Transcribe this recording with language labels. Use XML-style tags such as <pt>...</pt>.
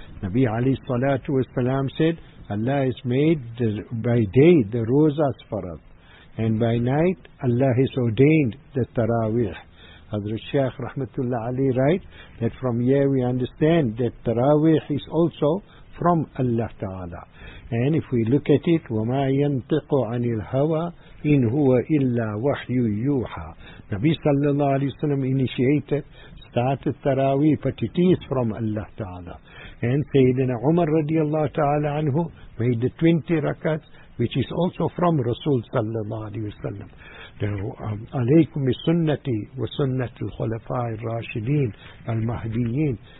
<en>Nabi Ali Salatu Wasalam said, Allah has made by day the rozas for us. And by night, Allah has ordained the taraweeh. Hazrat Shaykh Rahmatullah Ali write that from here we understand that taraweeh is also from Allah Ta'ala. And if we look at it,</en> <ar>وَمَا يَنْتِقُ عَنِ الْهَوَىٰ إِنْ هُوَ إِلَّا وَحْيُّ يُوحَىٰ.</ar> <en>Nabi sallallahu alayhi wa sallam initiated, started taraweeh, but it is from Allah Ta'ala. And Sayyidina Umar radiallahu ta'ala anhu made the 20 rakats, which is also from Rasul sallallahu alayhi wa sallam.</en> <ar>عَلَيْكُمْ بِسُنَّتِي وَسُنَّةِ الْخُلَفَاءِ الرَّاشِدِينَ الْمَهْدِيِّينَ.</ar>